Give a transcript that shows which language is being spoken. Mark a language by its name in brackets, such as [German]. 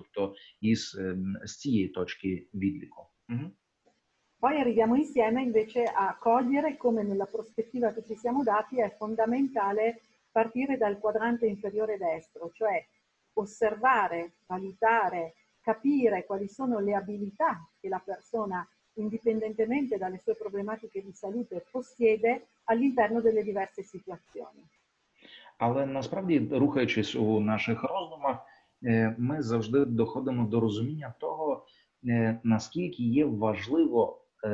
[Ukrainian] Тобто з цієї точки відліку. [Italian] Poi arriviamo insieme invece a cogliere come nella prospettiva che ci siamo dati è fondamentale partire dal quadrante inferiore destro, cioè osservare, valutare, capire quali sono le abilità che la persona, indipendentemente dalle sue problematiche di salute, possiede all'interno delle diverse situazioni. [Ukrainian] Але насправді, рухаючись у наших розумах, ми завжди доходимо до розуміння того, наскільки є важливо